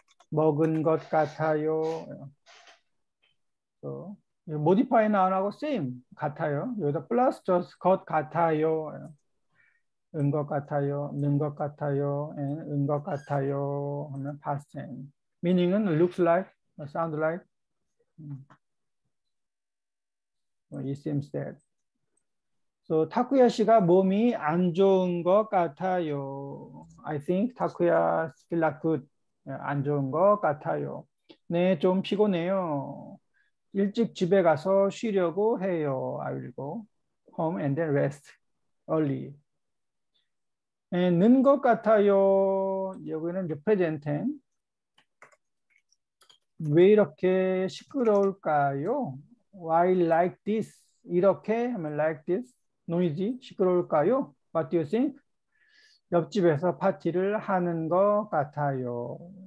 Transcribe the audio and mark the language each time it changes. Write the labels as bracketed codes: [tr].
[ko] 먹은 것 같아요. 또 modify 나오고 same 같아요. 여기다 plus just 것 같아요. 은 것 같아요, 는 것 같아요, 은 것 같아요 하면 past tense. [en] Meaning은 looks like, sound like, it seems that. [ko] So 타쿠야 씨가 몸이 안 좋은 것 같아요. [en] I think 타쿠야 feel not good. [ko] 안 좋은 것 같아요. 네, 좀 피곤해요. 일찍 집에 가서 쉬려고 해요. [en] I will go home and then rest early. [ko] 네, 는 것 같아요. 여기는 [en] present tense. [ko] 왜 이렇게 시끄러울까요? [en] Why like this? [ko] 이렇게 하면 [en] like this. Noisy, [ko] 시끄러울까요? [en] What do you think? [ko] 옆집에서 파티를 하는 것 같아요.